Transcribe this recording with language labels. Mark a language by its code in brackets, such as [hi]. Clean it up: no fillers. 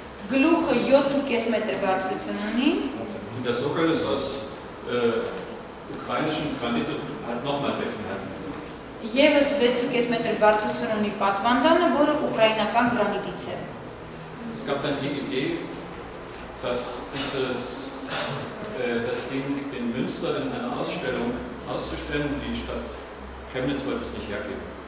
[hy] Գլուխը 7.5 մետր բարձրություն ունի։ [de] Und der Sockel ist aus ukrainischen Granit hat nochmal 6,5 Meter. [hy] Եվս 6.5 մետր բարձրություն ունի պատվանդանը, որը ուկրաինական գրանիտից է։ [de] Es gab dann die Idee, dass dieses das Ding in Münster in einer Ausstellung auszustellen, die Stadt Chemnitz wollte es nicht hergeben.